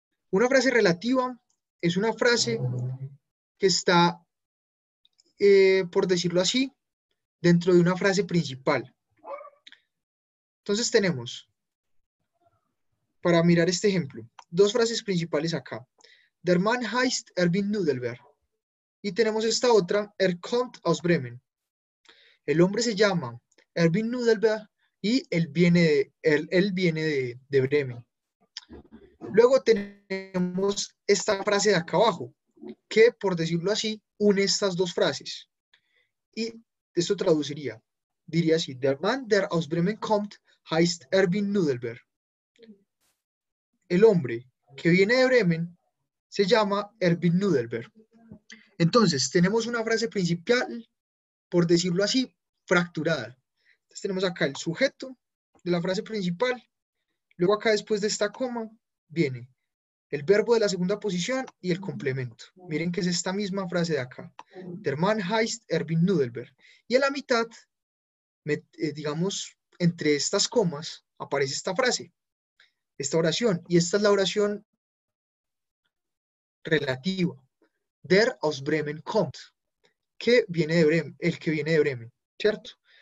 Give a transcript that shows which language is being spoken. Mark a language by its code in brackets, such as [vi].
[es] Una frase relativa es una frase que está, por decirlo así, dentro de una frase principal. Entonces tenemos. Para mirar este ejemplo, dos frases principales acá. [de] Der Mann heißt Erwin Nudelberg. [es] Y tenemos esta otra, [de] kommt aus Bremen. [es] El hombre se llama Erwin Nudelberg y él viene de Bremen. Luego tenemos esta frase de acá abajo, que por decirlo así, une estas dos frases. Y esto traduciría, diría así, [de] Der Mann, der aus Bremen kommt, heißt Erwin Nudelberg. [es] El hombre que viene de Bremen se llama Erwin Nudelberg. Entonces, tenemos una frase principal, por decirlo así, fracturada. Entonces, tenemos acá el sujeto de la frase principal. Luego acá, después de esta coma, viene el verbo de la segunda posición y el complemento. Miren que es esta misma frase de acá. [de] Der Mann heißt Erwin Nudelberg. [es] Y en la mitad, digamos, entre estas comas, aparece esta frase. Esta oración, y esta es la oración relativa. [de] Der aus Bremen kommt, [es] que viene de Bremen, el que viene de Bremen, ¿cierto?